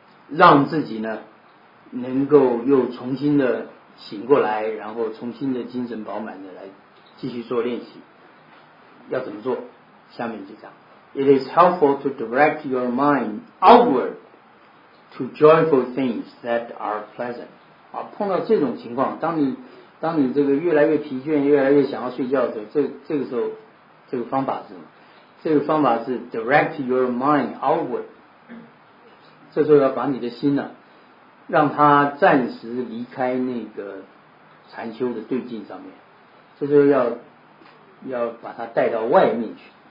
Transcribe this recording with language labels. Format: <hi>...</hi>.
<zh>让自己呢能够又重新的醒过来，然后重新的精神饱满的来继续做练习。要怎么做？下面就讲。</zh> <en>It is helpful to direct your mind outward to joyful things that are pleasant.</en> <zh>啊，碰到这种情况，当你这个越来越疲倦，越来越想要睡觉的时候，这个时候，这个方法是什么？这个方法是</zh> <en>direct your mind outward.</en> <zh>这时候要把你的心呢，让它暂时离开那个禅修的对境上面，这时候要把它带到外面去。</zh>